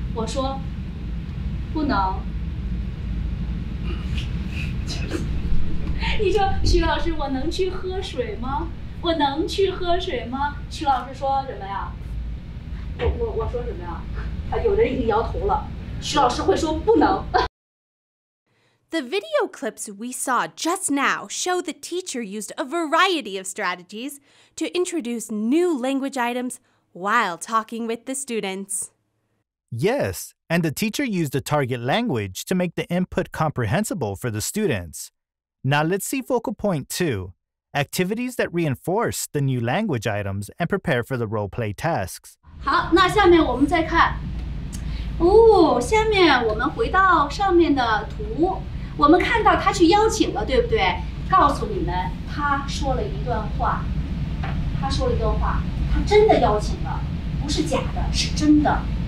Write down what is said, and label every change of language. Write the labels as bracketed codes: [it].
[zh] 我说不能。你说徐老师，我能去喝水吗？我能去喝水吗？徐老师说什么呀？我说什么呀？啊，有人已经摇头了。徐老师会说不能。 [en] The video clips we saw just now show the teacher used a variety of strategies to introduce new language items while talking with the students. Yes, and the teacher used a target language to make the input comprehensible for the students. Now let's see focal point 2, activities that reinforce the new language items and prepare for the role play tasks. [zh] 好，那下面我们再看。哦，下面我们回到上面的图。我们看到他去邀请了，对不对？告诉你们，他说了一段话，他说了一段话，他真的邀请了，不是假的，是真的。